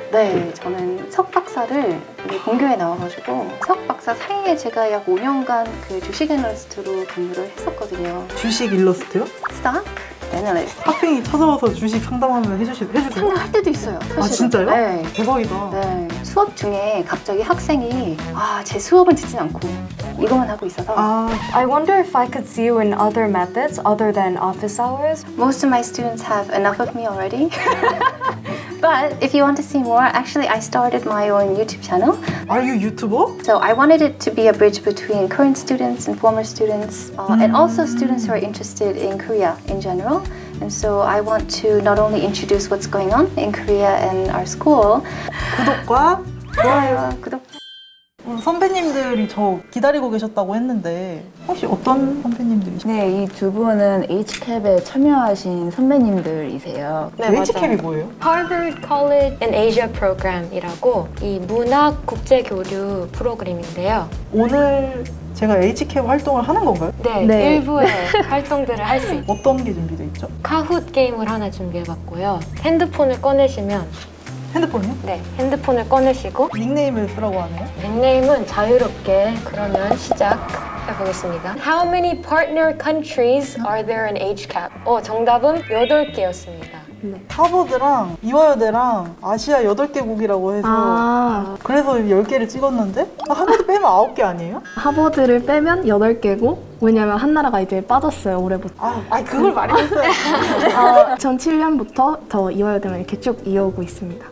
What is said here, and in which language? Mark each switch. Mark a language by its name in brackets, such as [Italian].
[Korean] 네, 저는 석 박사를 공교에 나와가지고 석 박사 사이에 제가 약 5년간 그 주식 애널리스트로 근무를 했었거든요. 주식 일러스트요? Stock? 애널리스트. 학생이 찾아와서 주식 상담하면 해주세요? 상담할 때도 있어요, 사실은. 아, 진짜요? 네. 대박이다. 네. 수업 중에 갑자기 학생이 아, 제 수업은 듣진 않고 이것만 하고 있어서 아. [English] I wonder if I could see you in other methods other than office hours. Most of my students have enough of me already. But if you want to see more, actually I started my own YouTube channel. Are you a YouTuber? So I wanted it to be a bridge between current students and former students and also students who are interested in Korea in general. And so I want to not only introduce what's going on in Korea and our school. [Korean] 구독과 좋아요. 구독. 선배님들이 저 기다리고 계셨다고 했는데 혹시 어떤 선배님들이신가요? 네, 이 두 분은 HCAP에 참여하신 선배님들이세요. 네, HCAP이 뭐예요? Harvard College in Asia Program이라고 이 문학 국제 교류 프로그램인데요. 오늘 제가 HCAP 활동을 하는 건가요? 네, 네. 일부의 활동들을 할 수 있어요. 어떤 게 준비되어 있죠? 카훗 게임을 하나 준비해봤고요. 핸드폰을 꺼내시면 핸드폰이요? 네, 핸드폰을 꺼내시고 닉네임을 쓰라고 하네요? 닉네임은 자유롭게 그러면 시작해보겠습니다. [English] How many partner countries are there in HCAP? [Korean] 정답은 8개였습니다. 하버드랑 이화여대랑 아시아 8개국이라고 해서 그래서 10개를 찍었는데 하버드 빼면 9개 아니에요? 하버드를 빼면 8개고 왜냐면 한 나라가 이제 빠졌어요, 올해부터. 아, 그걸 말했어요. 전 7년부터 더 이화여대만 이렇게 쭉 이어오고 있습니다.